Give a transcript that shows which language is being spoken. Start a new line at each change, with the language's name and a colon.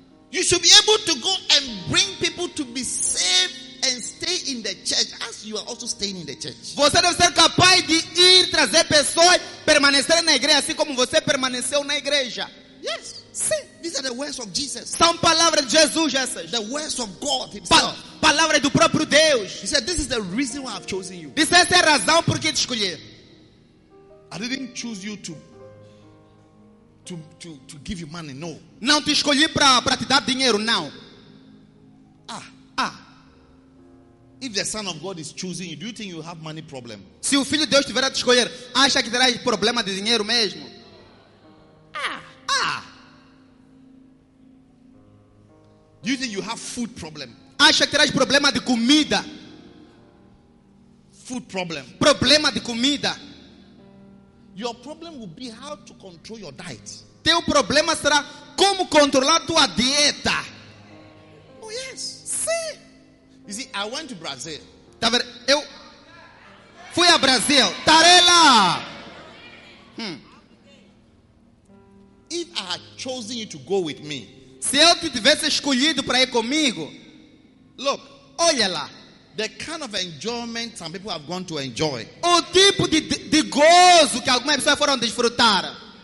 English: You should be able to go and bring people to be saved and stay in the church as you are also staying in the church.
Portuguese: Você deve ser capaz de ir trazer pessoas, permanecer na igreja assim como você permaneceu na igreja.
English: Yes.
Portuguese: Sim.
English: These are the words of Jesus.
Portuguese: São palavras de Jesus, essas.
English: The words of God himself.
Portuguese: Palavra do próprio Deus.
English: He said, "This is the reason why I've chosen you."
Portuguese: Disse, essa é a razão por que te escolhi.
English: I didn't choose you to give you money. No.
Portuguese: Não te escolhi para te dar dinheiro. Não. Ah.
English: If the Son of God is choosing you, do you think you have money problem?
Portuguese: Se o Filho de Deus tiver a te escolher, acha que terá problema de dinheiro mesmo? Ah.
English: Do you think you have food problem?
Portuguese: Acha que terás problema de comida?
English: Food problem.
Portuguese: Problema de comida.
English: Your problem will be how to control your diet.
Portuguese: Teu problema será como controlar tua dieta.
English: Oh yes.
Portuguese: Sim.
English: You see, I went to Brazil.
Portuguese: Tá vendo? Eu fui a Brasil. Tarela.
English: If I had chosen you to go with me.
Portuguese: Se eu te tivesse escolhido para ir comigo.
English: Look,
Portuguese: olha lá,
English: the kind of enjoyment some people have gone to enjoy.
Portuguese: O tipo de gozo que algumas pessoas foram desfrutar.